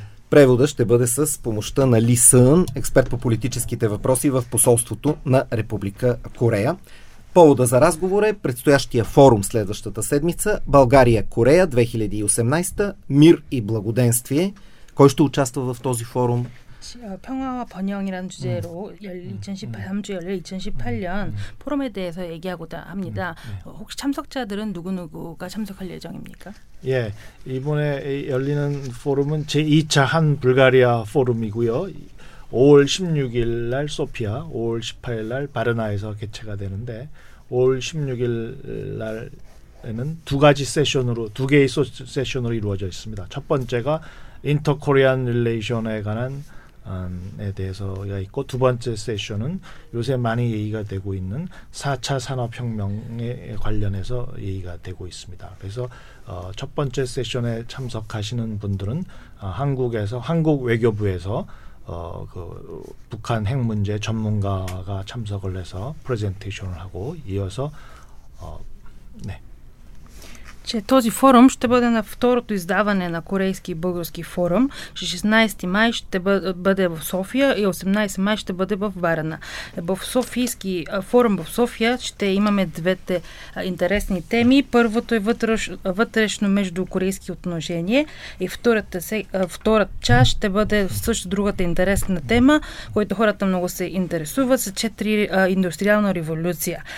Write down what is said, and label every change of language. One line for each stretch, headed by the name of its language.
Bulgarian: Превода ще бъде с помощта на Ли Сън, експерт по политическите въпроси в посолството на Република Корея. Повода за разговор е предстоящия форум следващата седмица България-Корея 2018, мир и благоденствие. Кой ще участва в този форум?
Korean: 평화와 번영이라는 주제로 2018년 2018년 포럼에 대해서 얘기하고자 합니다. 혹시 참석자들은 누구누구가 참석할 예정입니까? 예, 이번에 열리는 포럼은 제2차 한 불가리아 포럼이고요. 5월 16일 날 소피아, 5월 18일 날 바르나에서 개최가 되는데 5월 16일 날에는 두 가지 세션으로 두 개의 세션으로 이루어져 있습니다. 첫 번째가 인터코리안 릴레이션에 관한 에 대해서가 있고 두 번째 세션은 요새 많이 얘기가 되고 있는 4차 산업혁명에 관련해서 얘기가 되고 있습니다. 그래서 첫 번째 세션에 참석하시는 분들은 한국에서 한국 외교부에서 그 북한 핵 문제 전문가가 참석을 해서 프레젠테이션을 하고 이어서 네.
Bulgarian: Че този форум ще бъде на второто издаване на Корейски и Български форум. 16 май ще бъде в София и 18 май ще бъде в Варна. В Софийски форум в София ще имаме двете интересни теми. Първото е вътрешно междукорейски отношение и втората част ще бъде също другата интересна тема, която хората много се интересуват, са 4 индустриална революция.